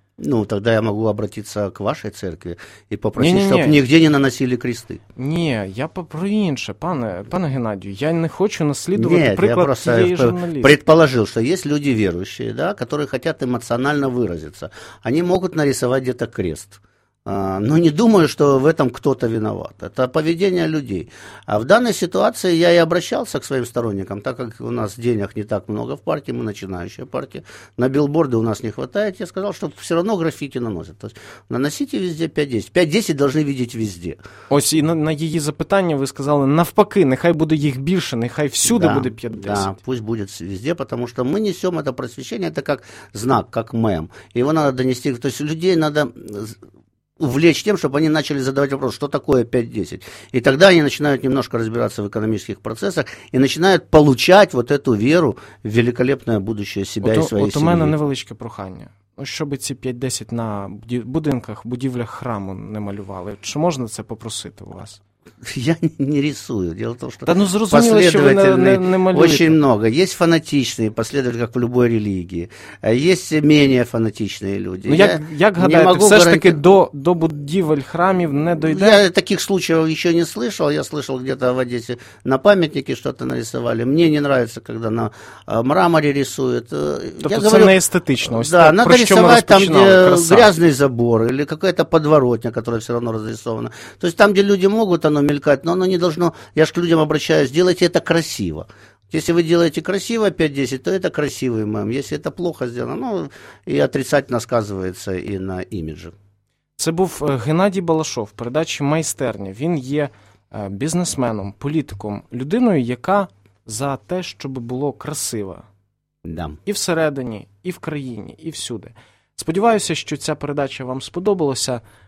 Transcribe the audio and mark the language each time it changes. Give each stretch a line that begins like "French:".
Ukrainian: Ну, тоді я можу обратитися к вашій церкві і попросити, щоб нігде не наносили крести. Ні, я про інше, пане Геннадію, я не хочу наслідувати приклад цієї журналістки. Ні, я просто предположив, що є люди віруючі, да, які хочуть емоціонально виразитися. Вони можуть нарисувати десь крест.
Russian: Но не думаю, что в этом кто-то виноват. Это поведение людей. А в данной ситуации я и обращался к своим сторонникам, так как у нас денег не так много в партии, мы начинающая партия, на билборды у нас не хватает. Я сказал, что все равно граффити наносят. То есть наносите везде 5-10. 5-10 должны видеть везде.
Ukrainian: Ось и на її запитання ви сказали, навпаки, нехай буде їх більше, нехай всюди буде 5-10.
Russian: Да, пусть будет везде, потому что мы несем это просвещение, это как знак, как мем. Его надо донести. То есть людей надо увлечь тем, чтобы они начали задавать вопрос, что такое 5-10. И тогда они начинают немножко разбираться в экономических процессах и начинают получать вот эту веру в великолепное будущее себя и своей семьи.
Ukrainian: От у мене невеличке прохання. Щоб ці 5-10 на будинках, будівлях храму не малювали. Чи можна це попросити у вас?
Russian: Я не рисую. Дело в том, что
Ukrainian: зрозуміло, що ви очень много.
Russian: Есть фанатичные последователи, как в любой религии. Есть менее фанатичные люди.
Ukrainian: Як гадаєте, все ж таки до будівель храмів не дойде?
Russian: Я таких случаев еще не слышал. Я слышал где-то в Одессе на памятнике что-то нарисовали. Мне не нравится, когда на мраморе рисуют.
Ukrainian: Тобто це не естетично.
Russian: Да, надо рисовать там, где грязный забор или какая-то подворотня, которая все равно разрисована. То есть там, где люди могут оно мелькать, но оно не должно, я же к людям обращаюсь, делайте это красиво. Если вы делаете красиво 5-10, то это красивый мем. Если это плохо сделано, ну, и отрицательно сказывается и на имидже.
Ukrainian: Це був Геннадій Балашов, передача «Майстерня». Він є бізнесменом, політиком, людиною, яка за те, щоб було красиво.
Russian: Да.
Ukrainian: І всередині, і в країні, і всюди. Сподіваюся, що ця передача вам сподобалася.